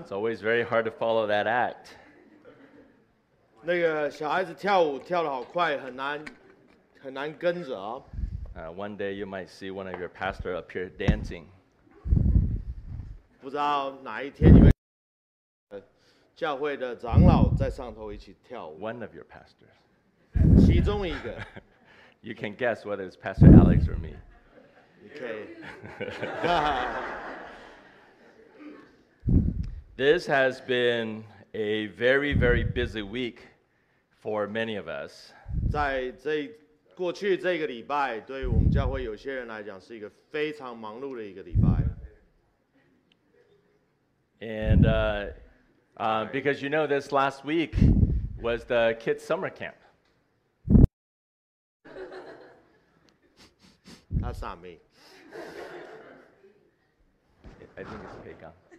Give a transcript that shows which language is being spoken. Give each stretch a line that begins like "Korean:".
English: It's always very hard to follow that act.
Chinese: 那个小孩子跳舞跳得好快，很难跟着啊。
English: One day you might see one of your pastor up here dancing.
Chinese: 不知道哪一天你们教会的长老在上头一起跳舞。
English: One of your pastors.
Chinese: 其中一个。
English: You can guess whether it's Pastor Alex or me. Okay. This has been a very, very busy week for many of us.
Chinese: 在过去这个礼拜, 对我们教会有些人来讲是一个非常忙碌的一个礼拜。
English: And because you know, this last week was the kids' summer camp. That's not me. I think it's Pagan.